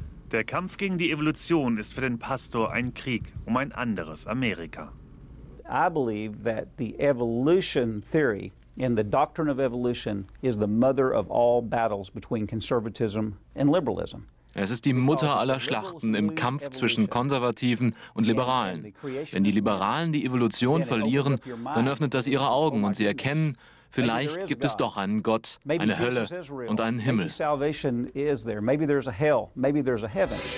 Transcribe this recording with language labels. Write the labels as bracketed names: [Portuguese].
[German] Der Kampf gegen die Evolution ist für den Pastor ein Krieg um ein anderes Amerika. [English] I believe that the evolution theory and the doctrine of evolution is the mother of all battles between conservatism and liberalism. [German] Es ist die Mutter aller Schlachten im Kampf zwischen Konservativen und Liberalen. Wenn die Liberalen die Evolution verlieren, dann öffnet das ihre Augen und sie erkennen, vielleicht gibt es doch einen Gott, eine Hölle und einen Himmel. [English] Maybe salvation is there. Maybe there's a hell. Maybe there's a heaven.